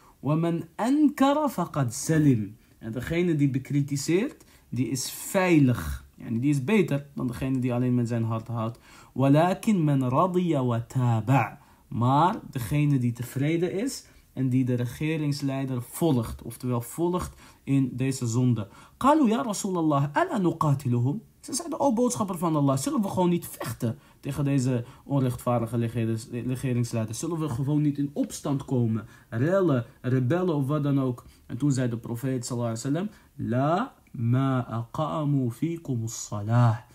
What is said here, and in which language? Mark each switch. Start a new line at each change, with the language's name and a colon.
Arabic: ومن أنكر فقد سلم.
Dutch: En degene die bekritiseert, die is veilig. Yani die is beter dan degene die alleen met zijn hart houdt.
Arabic: ولكن من رضي وتابع.
Dutch: Maar degene die tevreden is en die de regeringsleider volgt. Oftewel volgt in deze zonde.
Arabic: قالوا يا رسول الله ألا نقاتلهم.
Dutch: Ze zeiden, o boodschapper van Allah, zullen we gewoon niet vechten tegen deze onrechtvaardige regeringsleider? Zullen we gewoon niet in opstand komen, rellen, rebellen of wat dan ook? En toen zei de profeet,
Arabic: sallallahu alaihi wasallam, la ma aqamu fikum salah.